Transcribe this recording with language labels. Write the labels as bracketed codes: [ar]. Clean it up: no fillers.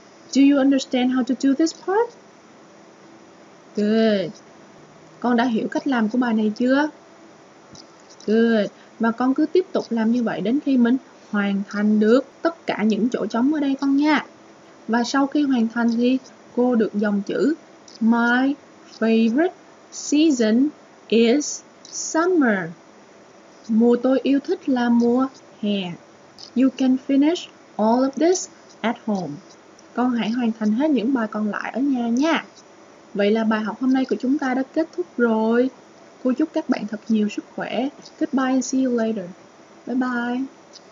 [en] Do you understand how to do this part? Good. [vi] Con đã hiểu cách làm của bài này chưa? Good. Và con cứ tiếp tục làm như vậy đến khi mình hoàn thành được tất cả những chỗ trống ở đây con nha. Và sau khi hoàn thành thì cô được dòng chữ [en] My favorite season is summer. [vi] Mùa tôi yêu thích là mùa hè. [en] You can finish all of this at home. [vi] Con hãy hoàn thành hết những bài còn lại ở nhà nha. Vậy là bài học hôm nay của chúng ta đã kết thúc rồi. Cô chúc các bạn thật nhiều sức khỏe. [en] Goodbye and see you later. Bye bye.